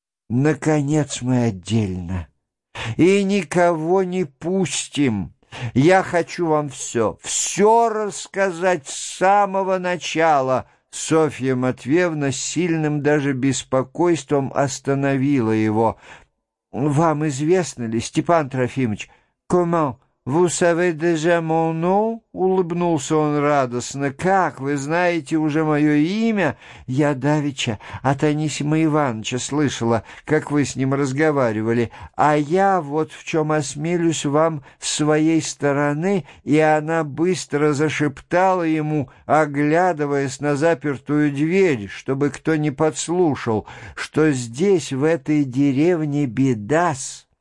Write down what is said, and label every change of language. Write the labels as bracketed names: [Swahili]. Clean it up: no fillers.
[Russian] «Наконец мы отдельно, и никого не пустим. Я хочу вам все, все рассказать с самого начала». Софья Матвеевна с сильным даже беспокойством остановила его. «Вам известно ли, Степан Трофимович, comment? «Вы [French] savez déjà mon nom?» [Russian] — улыбнулся он радостно. «Как? Вы знаете уже мое имя? Я давеча от Анисима Ивановича слышала, как вы с ним разговаривали. А я вот в чем осмелюсь вам с своей стороны». И она быстро зашептала ему, оглядываясь на запертую дверь, чтобы кто не подслушал, что здесь, в этой деревне, беда-с.